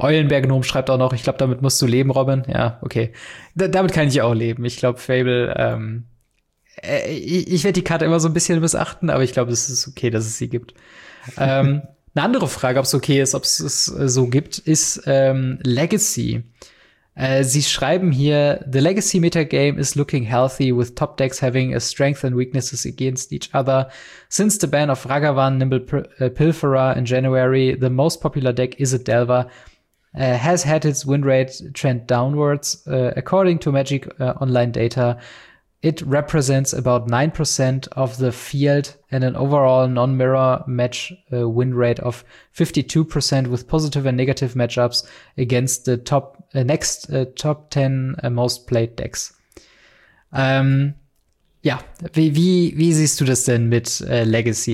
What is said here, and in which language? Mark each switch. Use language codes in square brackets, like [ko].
[de] Eulenberg-Gnom schreibt auch noch, ich glaube, damit musst du leben, Robin. Ja, okay. Damit kann ich auch leben. Ich glaube, Fable, ich werde die Karte immer so ein bisschen missachten, aber ich glaube, es ist okay, dass es sie gibt. eine andere Frage, ob es okay ist, ob es so gibt, ist Legacy. Sie schreiben hier, [en] the Legacy Metagame is looking healthy with top decks having a strength and weaknesses against each other. Since the ban of Ragavan, Nimble Pilferer in January, the most popular deck is a Delver, has had its win rate trend downwards. According to Magic Online data, it represents about 9% of the field and an overall non-mirror match win rate of 52% with positive and negative matchups against the top next top 10 most played decks. [de] Ja, wie siehst du das denn mit Legacy?